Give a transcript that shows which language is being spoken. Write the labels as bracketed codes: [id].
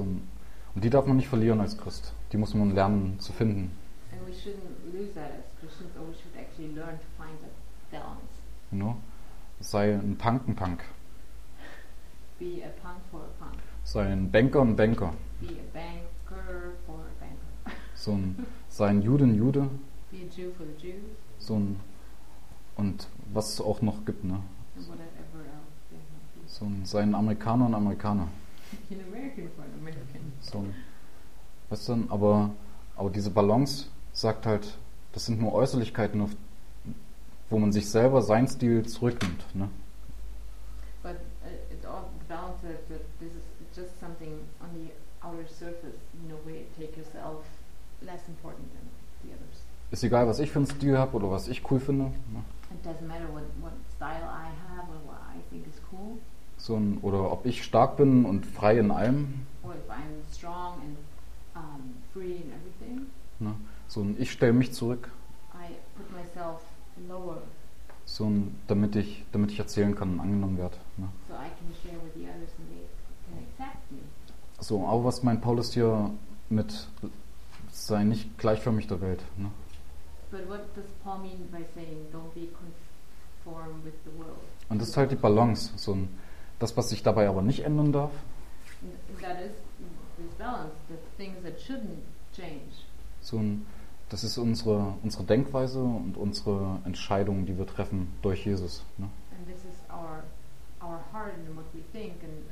[de] Und die darf man nicht verlieren als Christ. Die muss man lernen zu finden. [en] And we shouldn't lose that as Christians, or we should actually learn to find that balance. [de] No. Sei ein Punk, ein Punk. [en] Be a punk for a punk. [de] Sei ein Banker, ein Banker. [en] Be a banker for a banker. [de] So ein, sei ein Jude, ein Jude. [en] Be a Jew for the Jews. [de] So ein, und was es auch noch gibt, ne? [en] Whatever else there might be. [de] So ein, sei ein Amerikaner, ein Amerikaner. [en] Be an American for an American. [de] So ein, weißt du, aber diese Balance sagt halt, das sind nur Äußerlichkeiten, wo man sich selber seinen Stil zurücknimmt. Ne? [en] But it all balances that this is just something on the outer surface, you know, where you take yourself less important than the others. [de] Ist egal, was ich für einen Stil habe oder was ich cool finde. Ne? [en] It doesn't matter what style I have or what I think is cool. [de] So ein, oder ob ich stark bin und frei in allem. [en] Or if I'm strong and free in everything. [de] Ne? So ein, ich stelle mich zurück. [en] I put myself lower. [de] So ein, damit ich erzählen kann und angenommen werde. Ne? [en] So I can share with the others and they can accept me. [de] So, aber was meint Paulus hier mit sei nicht gleichförmig der Welt? Ne? [en] But what does Paul mean by saying don't be conform with the world? [de] Und das ist halt die Balance. So ein, Das, was sich dabei aber nicht ändern darf? [en] That is this balance, the things that shouldn't change. [de] So ein, das ist unsere Denkweise und unsere Entscheidungen, die wir treffen durch Jesus. Ne? [en] And this is our heart and what we think and